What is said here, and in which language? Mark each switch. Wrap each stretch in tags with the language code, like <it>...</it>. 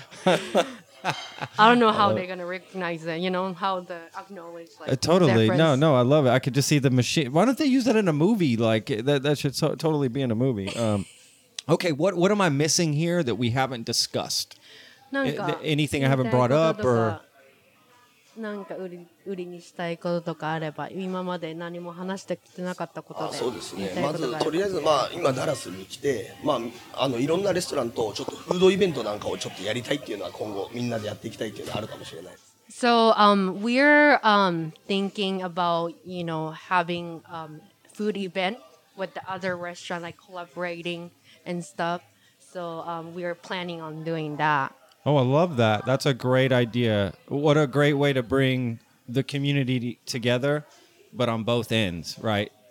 <en>I don't know how they're going to recognize it, you know, how the acknowledge. Like, totally. No, I love it. I could just see the machine. Why don't they use that in a movie? Like, that should totally be in a movie. Okay, what am I missing here that we haven't discussed? Anything I haven't brought up? Or?</en> <ja>なんか売りにしたいこととかあれば今まで何も話してきてなかったことで、そうですね。まずとりあえずまあ今ダラスに来て、まあいろんなレストランとちょっとフードイベントなんかをちょっとやりたいっていうのは今後みんなでやっていきたいっていうのはあるかもしれない。</ja> <en>So we're thinking about you know having food event with the other restaurant like collaborating and stuff. So we're planning on doing that. Oh, I love that. That's a great idea. What a great way to bring the community together, but on both ends, right?</en>